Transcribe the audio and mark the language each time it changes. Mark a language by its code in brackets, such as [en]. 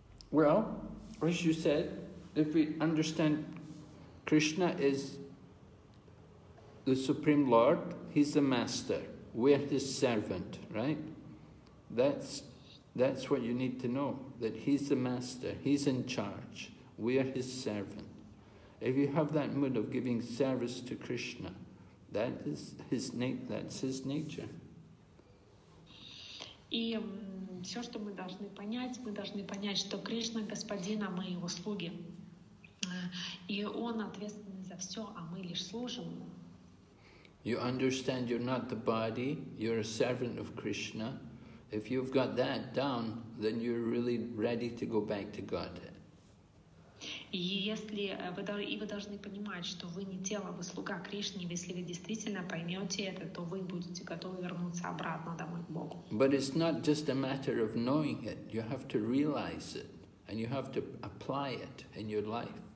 [en] Well, as you said, if we understand Krishna is the Supreme Lord, He's the Master, we're His servant, right? That's what you need to know, that He's the Master, He's in charge, we are His servant. If you have that mood of giving service to Krishna, that is His nature. [ru] И все, что мы должны понять, что Кришна – Господин, а мы – Его слуги. И Он ответственен за все, а мы лишь служим Ему. [en] You understand you're not the body, you're a servant of Krishna. If you've got that down, then you're really ready to go back to Godhead. [ru] И вы должны понимать, что вы не тело, вы слуга Кришны. Если вы действительно поймете это, то вы будете готовы вернуться обратно домой к Богу. [en] But it's not just a matter of knowing it. You have to realize it, and you have to apply it in your life.